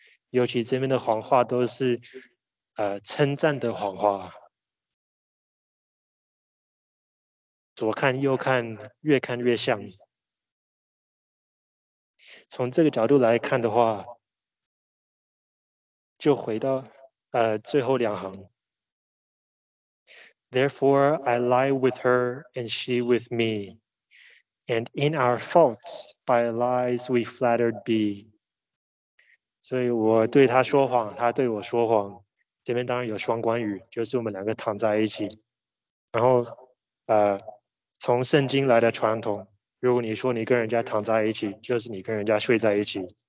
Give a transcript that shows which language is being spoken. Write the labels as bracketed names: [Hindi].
[Chinese] 尤其这边的谎话都是称赞的谎话，左看右看，越看越像。从这个角度来看的话，就回到最后两行。 [English] Therefore, I lie with her and she with me. And in our faults, by lies we flattered be. [Chinese] 所以我对她说谎，她对我说谎。这边当然有双关语，就是我们两个躺在一起。然后从圣经来的传统，如果你说你跟人家躺在一起，就是你跟人家睡在一起。